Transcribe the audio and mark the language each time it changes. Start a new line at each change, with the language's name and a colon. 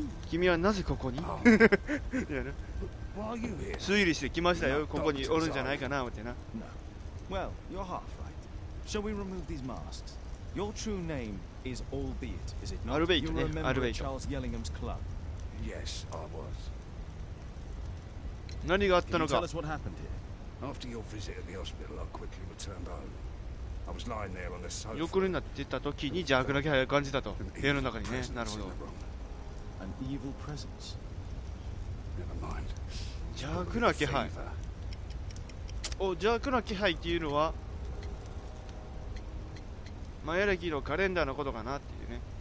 Japanese: 君はなぜここに？いやね、推理してきましたよ、ここにおるんじゃないかなってな。
English: Well, you're half right. Shall we remove these masks? Your true name is Albeit, is it not?
Japanese: アルベイトね、アルベイト。
English: Charles Yellingham's club. Yes, I was.
Japanese: 何があったのか。
English: Tell us what happened here. After your visit at the hospital, I quickly returned home. I was lying there on the sofa.
Japanese: 横になってた時に邪悪な気配を感じたと、部屋の中にね。なるほど。
English: An evil presence.
Japanese: 邪悪な気配。お、邪悪な気配っていうのはマヤ暦のカレンダーのことかなっていうね。